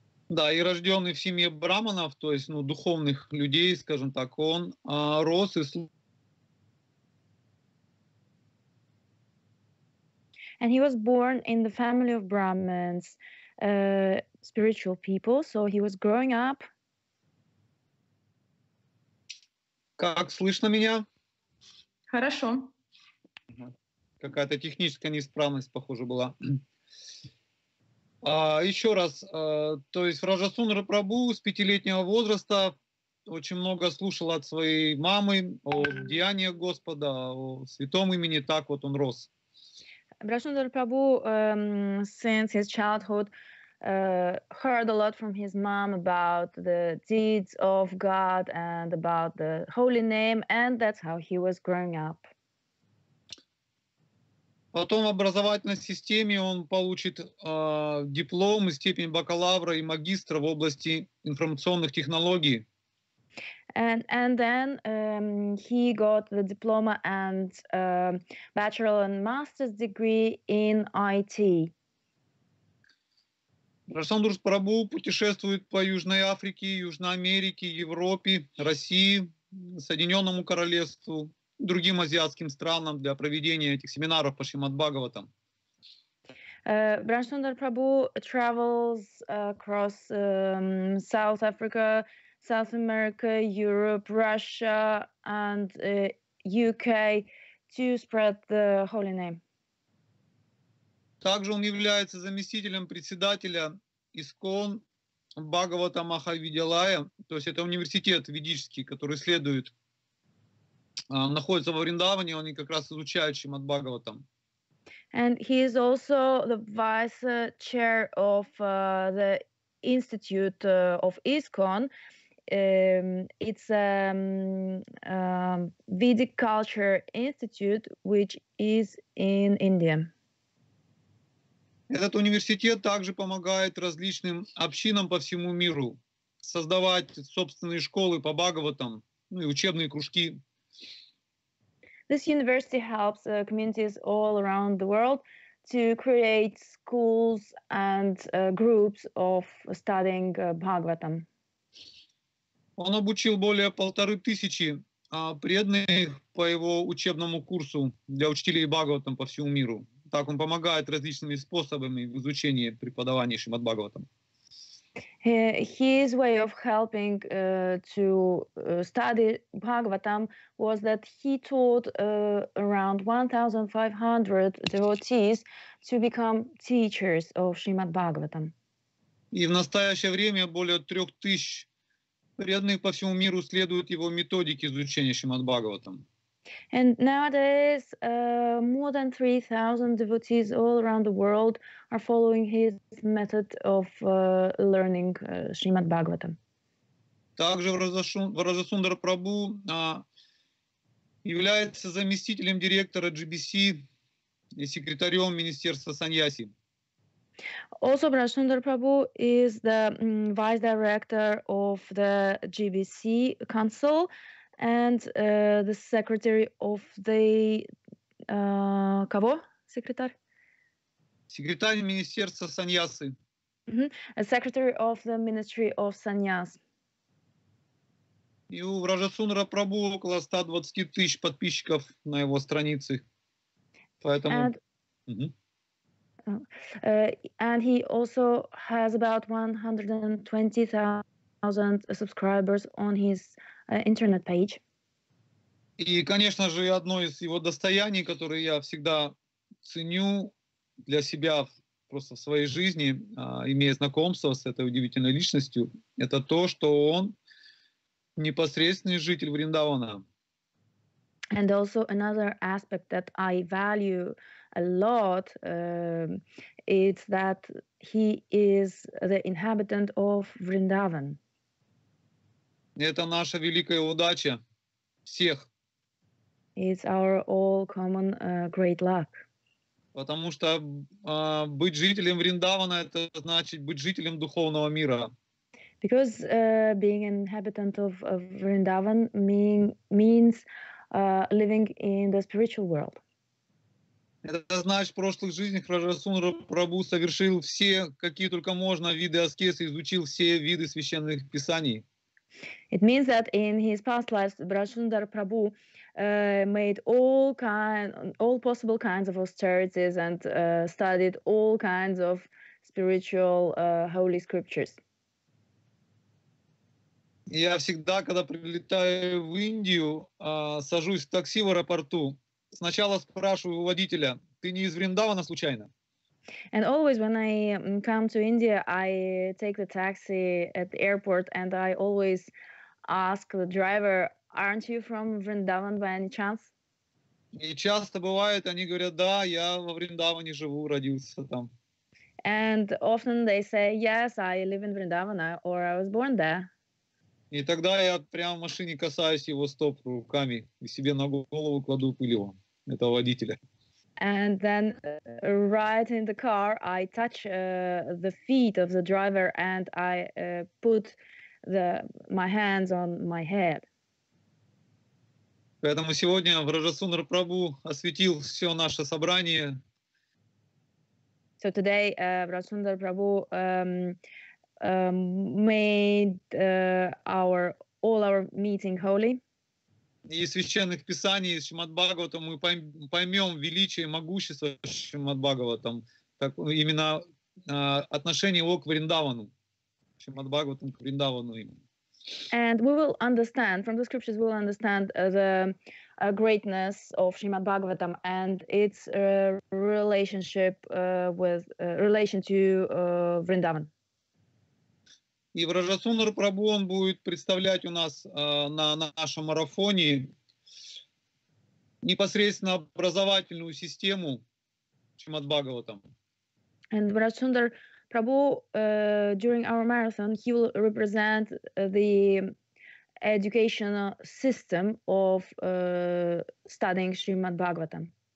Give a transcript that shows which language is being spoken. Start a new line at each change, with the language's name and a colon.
Russian: Да, и рожденный в семье браманов, то есть, ну, духовных людей, скажем так, он рос и
English: And he was born in the family of Brahmins, spiritual people, so he was growing up.
Russian: Как слышно меня? Хорошо. Какая-то техническая неисправность, похоже, была. Еще раз, то есть Brajasundara Prabhu с пятилетнего возраста очень много слушал от своей мамы о деяниях Господа, о святом имени, так вот он рос.
English: Brajasundara Prabhu since his childhood heard a lot from his mom about the deeds of God and about the holy name, and that's how he was growing up.
Russian: Потом в образовательной системе он получит диплом и степень бакалавра и магистра в области информационных технологий.
English: And then he got the diploma and bachelor and master's degree in IT.
Russian: Brajasundara Prabhu путешествует по Южной Африке, Южной Америке, Европе, России, Соединенному Королевству. Другим азиатским странам для проведения этих семинаров по Шримад-Бхагаватам.
English: Brajasundara Prabhu travels across South Africa, South America, Europe, Russia and UK to spread the holy name.
Russian: Также он является заместителем председателя ИСККОН Бхагавата Махавидьялая, то есть это университет ведический, который следует находится во Вриндаване, они как раз изучают Шримад-Бхагаватам.
English: And he is also the vice chair of the Institute of ISKCON. It's a Vedic culture institute, which is in India.
Russian: Этот университет также помогает различным общинам по всему миру создавать собственные школы по Бхагаватам, ну и учебные кружки.
English: This university helps communities all around the world to create schools and groups of studying Bhagavatam.
Russian: Он обучил более 1500 преданных по его учебному курсу для учителей Бхагаватам по всему миру. Так он помогает различными способами в изучении преподавания Шримад-Бхагаватам.
English: His way of helping to study Bhagavatam was that he taught around 1,500 devotees to become teachers of Srimad Bhagavatam.
Russian: И в настоящее время более 3000 преданных по всему миру следуют его методике изучения Шримад Бхагаватам.
English: And nowadays, more than 3,000 devotees all around the world are following his method of learning Srimad Bhagavatam.
Russian: Также Brajasundara Prabhu является заместителем директора GBC и секретарем Министерства Саньяси.
English: Also, Brajasundara Prabhu is the vice director of the GBC Council. And the secretary of the
Russian: кого секретарь? Секретарь министерства саньясы.
English: A secretary of the ministry of sannyas.
Russian: И у Brajasundara Prabhu около 120 тысяч подписчиков на его странице, поэтому.
English: And he also has about 120,000 subscribers on his internet page.
Russian: И, конечно же, одно из его достояний, которое я всегда ценю для себя просто в своей жизни, имея знакомство с этой удивительной личностью, это то, что он непосредственный житель Вриндавана.
English: And also another aspect that I value a lot, it's that he is the inhabitant of Vrindavan.
Russian: Это наша великая удача всех.
English: It's our all common great luck.
Russian: Потому что быть жителем Вриндавана — это значит быть жителем духовного мира.
English: Because being an inhabitant of Vrindavan means living in the spiritual world.
Russian: Это значит, в прошлых жизнях Брадасундара Прабху совершил все, какие только можно, виды аскезы, изучил все виды священных писаний.
English: It means that in his past lives, Brajasundara Prabhu made all possible kinds of austerities and studied all kinds of spiritual holy scriptures.
Russian: Я всегда, когда прилетаю в Индию, сажусь в такси в аэропорту, сначала спрашиваю у водителя: ты не из Вриндавана случайно?
English: And always when I come to India, I take the taxi at the airport and I always ask the driver, aren't you from Vrindavan by any chance?
Russian: И часто бывает, они говорят, да, я во Вриндаване живу, родился там.
English: And often they say, yes, I live in Vrindavan or I was born there.
Russian: И тогда я прямо в машине касаюсь его стоп руками и себе на голову кладу пылево, этого водителя.
English: And then right in the car, I touch the feet of the driver and I put my hands on my head.
Russian: Поэтому сегодня Брадасундара Прабху осветил все наше собрание.
English: So today, Брадасундара Прабху made all our meeting holy.
Russian: Из священных писаний, из Шримад-Бхагаватам, мы поймем величие и могущество Шримад-Бхагаватам, именно отношение его к Вриндавану, Шримад-Бхагаватам к Вриндавану.
English: And we will understand, from the scriptures, we will understand the greatness of Shrimad-Bhagavatam and its relationship with, relation to Vrindavan.
Russian: И Брадасундара Прабху он будет представлять у нас на нашем марафоне непосредственно образовательную систему Шримад-Бхагаватам.
English: And Брадасундара Прабху during our marathon he will represent the educational system of studying Шримад-Бхагаватам.